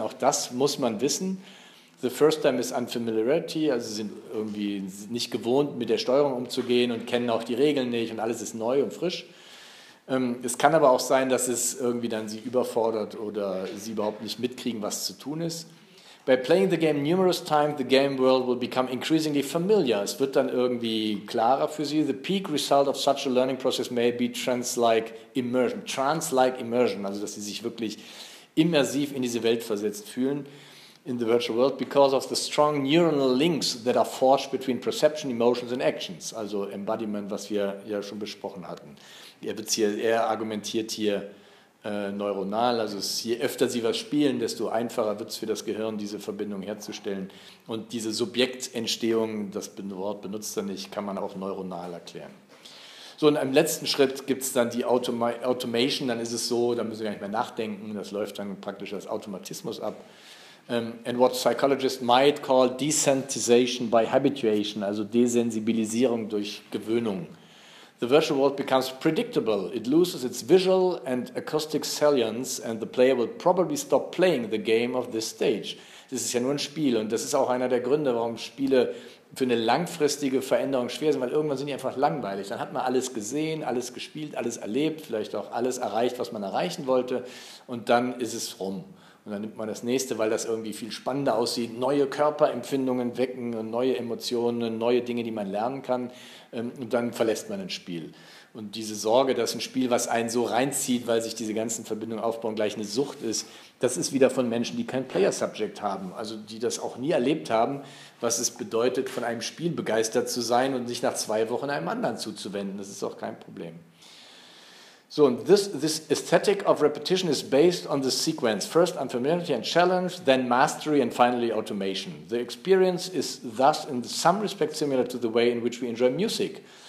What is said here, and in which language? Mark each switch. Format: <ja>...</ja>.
<de>Auch das muss man wissen.</de> <en>The first time is unfamiliarity,</en> <de>also sie sind irgendwie nicht gewohnt, mit der Steuerung umzugehen und kennen auch die Regeln nicht, und alles ist neu und frisch. Es kann aber auch sein, dass es irgendwie dann sie überfordert oder sie überhaupt nicht mitkriegen, was zu tun ist.</de> <en>By playing the game numerous times, the game world will become increasingly familiar.</en> <de>Es wird dann irgendwie klarer für Sie.</de> <en>The peak result of such a learning process may be trance-like immersion. Trance-like immersion,</en> <de>also dass Sie sich wirklich immersiv in diese Welt versetzt fühlen,</de> <en>in the virtual world, because of the strong neuronal links that are forged between perception, emotions and actions.</en> <de>Also Embodiment, was wir ja schon besprochen hatten. Er argumentiert hier, neuronal, also je öfter Sie was spielen, desto einfacher wird es für das Gehirn, diese Verbindung herzustellen. Und diese Subjektentstehung, das Wort benutzt er nicht, kann man auch neuronal erklären. So, und im letzten Schritt gibt es dann die Automation, dann ist es so, da müssen Sie gar nicht mehr nachdenken, das läuft dann praktisch als Automatismus ab.</de> <en>And what psychologists might call desensitization by habituation,</en> <de>also Desensibilisierung durch Gewöhnung.</de> <en>The virtual world becomes predictable. It loses its visual and acoustic salience and the player will probably stop playing the game of this stage.</en> <de>Das ist ja nur ein Spiel, und das ist auch einer der Gründe, warum Spiele für eine langfristige Veränderung schwer sind, weil irgendwann sind die einfach langweilig. Dann hat man alles gesehen, alles gespielt, alles erlebt, vielleicht auch alles erreicht, was man erreichen wollte, und dann ist es rum. Und dann nimmt man das nächste, weil das irgendwie viel spannender aussieht. Neue Körperempfindungen wecken und neue Emotionen, neue Dinge, die man lernen kann. Und dann verlässt man ein Spiel. Und diese Sorge, dass ein Spiel, was einen so reinzieht, weil sich diese ganzen Verbindungen aufbauen, gleich eine Sucht ist, das ist wieder von Menschen, die kein Player-Subject haben. Also die das auch nie erlebt haben, was es bedeutet, von einem Spiel begeistert zu sein und sich nach 2 Wochen einem anderen zuzuwenden. Das ist auch kein Problem.</de> <en>So, and this aesthetic of repetition is based on the sequence. First, unfamiliarity and challenge, then mastery, and finally automation. The experience is thus in some respect similar to the way in which we enjoy music.</en>